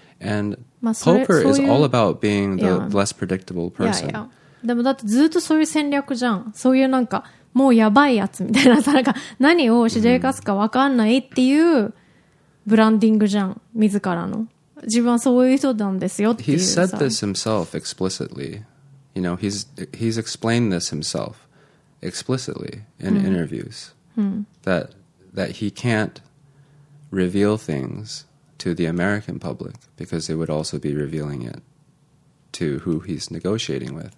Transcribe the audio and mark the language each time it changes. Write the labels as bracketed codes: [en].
[en] And Popper is all about being the less predictable person. Yeah, yeah. But that's [ja] ずっとそういう戦略じゃん。そういうなんか、もうやばいやつみたいなさ、なんか何をしでかすかわかんないっていうブランディングじゃん、自らの。自分はそういう人なんですよっていうさ。 [en] He said this himself explicitly. You know, he's explained this himself explicitly in interviews. That he can't reveal things to the American public because they would also be revealing it to who he's negotiating with.